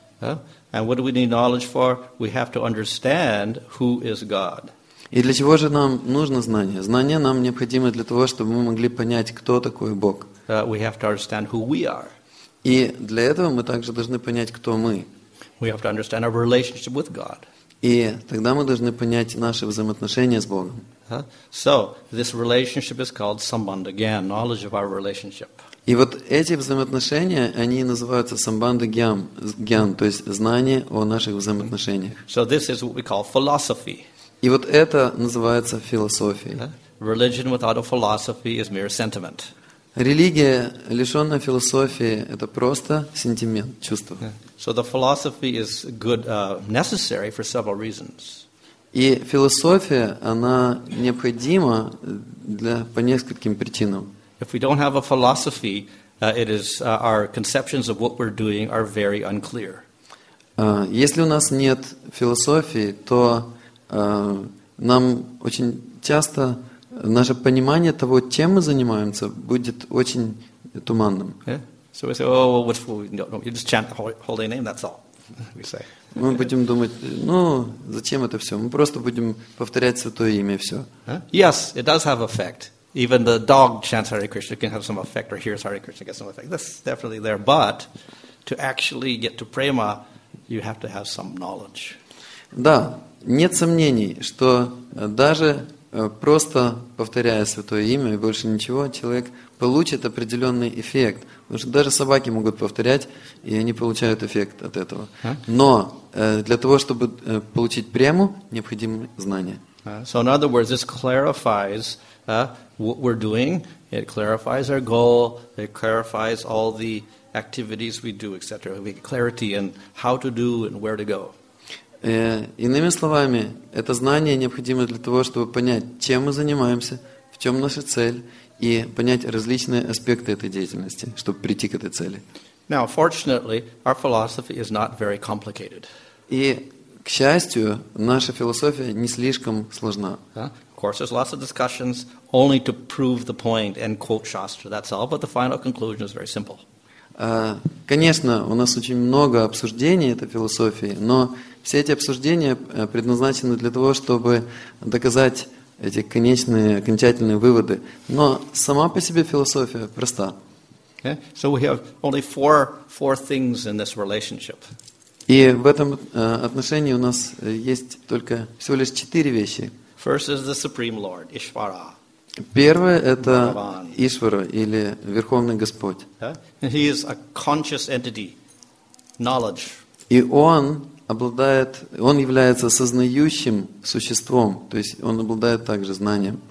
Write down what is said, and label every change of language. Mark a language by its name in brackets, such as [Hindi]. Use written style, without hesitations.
[English] And what do we need knowledge for? We have to understand who is God. [Russian] И для чего же нам нужно знание? Знание нам необходимо для того, чтобы мы могли понять, кто такой Бог. [English] We have to understand who we are. [Russian] И для этого мы также должны понять, кто мы. [English] We have to understand our relationship with God. [Russian] И тогда мы должны понять наши взаимоотношения с Богом. [English] So, this relationship is called sambandh gyan, knowledge of our relationship. [Russian] И вот эти взаимоотношения, они называются sambandh gyan, то есть знание о наших взаимоотношениях. [English] So, this is what we call philosophy. [Russian] И вот это называется философией. [English] Religion without a philosophy is mere sentiment. [Russian] Религия, лишенная философии, это просто сентимент, чувство. [English] So the philosophy is good, necessary for several reasons. [Russian] И философия, она необходима для, по нескольким причинам. [English] If we don't have a philosophy, it is our conceptions of what we're doing are very unclear. [Russian] Если у нас нет философии, то нам очень часто наше понимание того, чем мы занимаемся, будет очень туманным. [English] So we say, oh, what's for? No, you just chant the holy name, that's all, we say. [Russian] Мы будем думать, ну, зачем это все? Мы просто будем повторять святое имя, и все. [English] Yes, it does have effect. Even the dog chants Hare Krishna can have some effect, or hears Hare Krishna gets some effect. That's definitely there. But to actually get to prema, you have to have some knowledge. [Russian] Да, нет сомнений, что даже просто повторяя святое имя и больше ничего, человек получит определенный эффект. Потому что даже собаки могут повторять, и они получают эффект от этого. Но для того, чтобы получить прему, необходимы знания. [English] So in other words, this clarifies what we're doing. It clarifies our goal. It clarifies all the activities we do, etc. We get clarity in how to do and where to go. [Russian] Иными словами, это знание необходимо для того, чтобы понять, чем мы занимаемся, в чем наша цель, и понять различные аспекты этой деятельности, чтобы прийти к этой цели. [English] Now, fortunately, our philosophy is not very complicated. [Russian] И, к счастью, наша философия не слишком сложна. [English] Of course, there's lots of discussions only to prove the point and quote Shastra, that's all, but the final conclusion is very simple. [Russian] Конечно, у нас очень много обсуждений этой философии, но все эти обсуждения предназначены для того, чтобы доказать эти конечные, окончательные выводы. Но сама по себе философия проста. [English] Okay. So we have only four things in this relationship. [Russian] И в этом отношении у нас есть только всего лишь четыре вещи. [English] First is the Supreme Lord, Ishvara. [Russian] Первое – это Ишвара, или Верховный Господь. [English] Okay. He is a conscious entity, knowledge. [Russian] И Он обладает, он является сознающим существом, то есть он обладает также знанием.